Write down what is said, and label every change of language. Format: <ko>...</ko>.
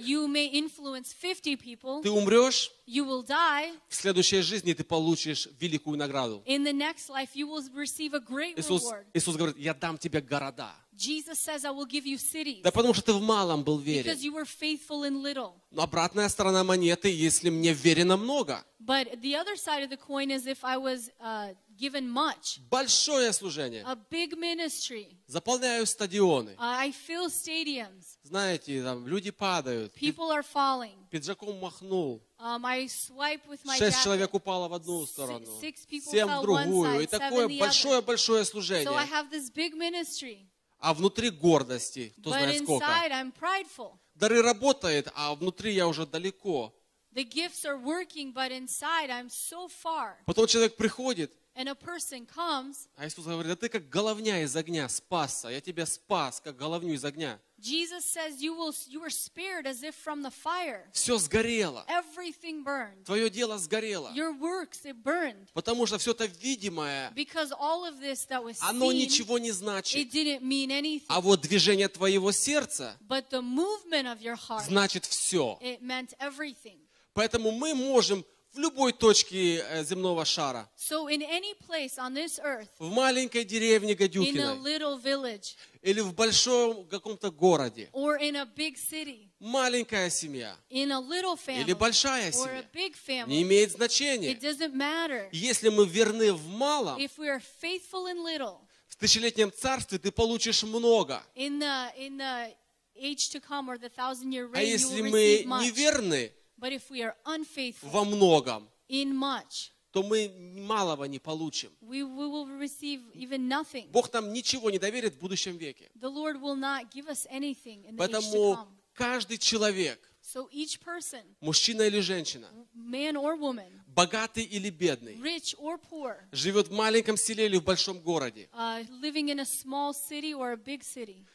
<en>You may influence 50 people.</en> <ru>Ты умрешь.</ru> <en>You will die.</en> <ru>В следующей жизни ты получишь великую награду.</ru> <en>In the next life you will receive a great reward.</en> <ru>Иисус говорит, я дам тебе города.</ru> <en>Jesus says, I will give you cities.</en> <ru>Да потому что ты в малом был верен.</ru> <en>Because you were faithful in little.</en> <ru>Но обратная сторона монеты, если мне верено много.</ru> <en>But the other side of the coin is if I was given much.</en> <ru>Большое служение.</ru> <en>A big ministry.</en> <ru>Заполняю стадионы.</ru> <en>I fill stadiums.</en> <ru>Знаете, там люди падают.</ru> <en>People are falling.</en> <ru>Пиджаком махнул.</ru> <en>I swipe with my jacket.</en> <ru>6 человек упало в одну сторону.</ru> <en>6 people fell one side, 7</en> <ru>в другую. И такое большое, большое служение.</ru> <en>So I have this big ministry.</en> <ru>А внутри гордости, кто знает сколько. Дары работают, а внутри я уже далеко.</ru> <en>The gifts are working, but inside I'm so far.</en> <ru>Потом человек приходит.</ru> <en>And a person comes.</en> <ru>А Иисус говорит: да ты как головня из огня спасся. Я тебя спас как головню из огня.</ru> <en>Jesus says you were spared as if from the fire.</en> <ru>Все сгорело.</ru> <en>Everything burned.</en> <ru>Твое дело сгорело.</ru> <en>Your works it burned.</en> <ru>Потому что все это видимое.</ru> <en>Because all of this that was seen.</en> <ru>Оно ничего не значит.</ru> <en>It didn't mean anything.</en> <ru>А вот движение твоего сердца.</ru> <en>But the movement of your heart.</en> <ru>Значит все.</ru> <en>It meant everything.</en> <ru>Поэтому мы можем в любой точке земного шара.</ru> <en>So in any place on this earth.</en> <ru>В маленькой деревне Гадюкиной.</ru> <en>In a little village.</en> <ru>Или в большом каком-то городе.</ru> <en>Or in a big city.</en> <ru>Маленькая семья.</ru> <en>In a little family.</en> <ru>Или большая семья.</ru> <en>Or a big family.</en> <ru>Не имеет значения.</ru> <en>It doesn't matter.</en> <ru>Если мы верны в малом.</ru> <en>If we are faithful in little.</en> <ru>В тысячелетнем царстве ты получишь много.</ru> <en>In the age to come or the thousand year reign.</en> <ru>А если мы неверны.</ru> <en>But if we are unfaithful,</en> <ru>во многом,</ru> <en>in much,</en> <ru>то мы малого не получим.</ru> <en>We will receive even nothing.</en> <ru>Бог нам ничего не доверит в будущем веке.</ru> <en>The Lord will not give us anything in the age to come.</en> <ru>Поэтому каждый человек,</ru> <en>so each person,</en> <ru>мужчина или женщина,</ru> <en>man or woman,</en> <ru>богатый или бедный,</ru> <en>rich or poor,</en> <ru>живет в маленьком селе или в большом городе,</ru> <en>living in a small city or a big city,</en>